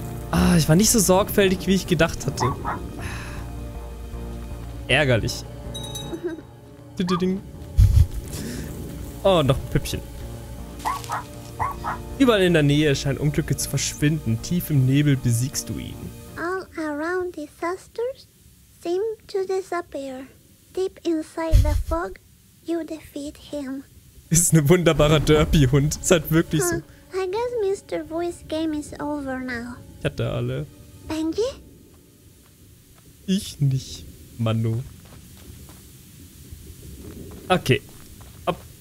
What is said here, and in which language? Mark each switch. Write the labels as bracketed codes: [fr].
[de] Ah, ich war nicht so sorgfältig, wie ich gedacht hatte. Ärgerlich. Oh, noch ein Püppchen. Überall in der Nähe scheinen Unglücke zu verschwinden. Tief im Nebel besiegst du ihn. [en] Disasters seem to disappear. Deep inside the fog, you defeat him. [de] Ist ein wunderbarer Derby-Hund. Ist halt wirklich so. [en] I guess Mr. Voice game is over now. [de] Ich hatte alle. Benji? Ich nicht, Manu. Okay. Ab.